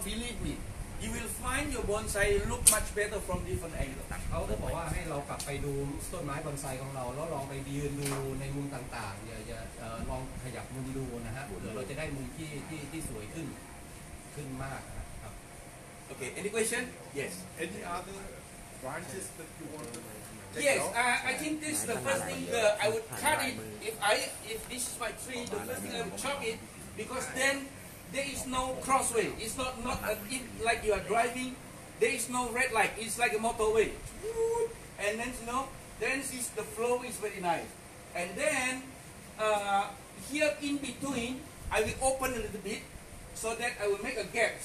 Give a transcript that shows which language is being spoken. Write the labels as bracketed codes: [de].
[en] Believe me, you will find your bonsai look much better from different angle. [th] เขาบอกว่าให้เรากลับไปดูต้นไม้บอนไซของเราแล้วลองไปยืนดูในมุมต่างๆลองขยับมุมดูนะฮะเดี๋ยวเราจะได้มุมที่สวยขึ้นมากครับ [en] โอเค any question yes any other branches that you want to yes I think this is the first thing I would cut it if this is my tree the first thing I would chop it because then there is no crossway it's not a, it, like you are driving there is no red light it's like a motorway and then you know then this the flow is very nice and thenhere in between, I will open a little bit so that I will make a gap.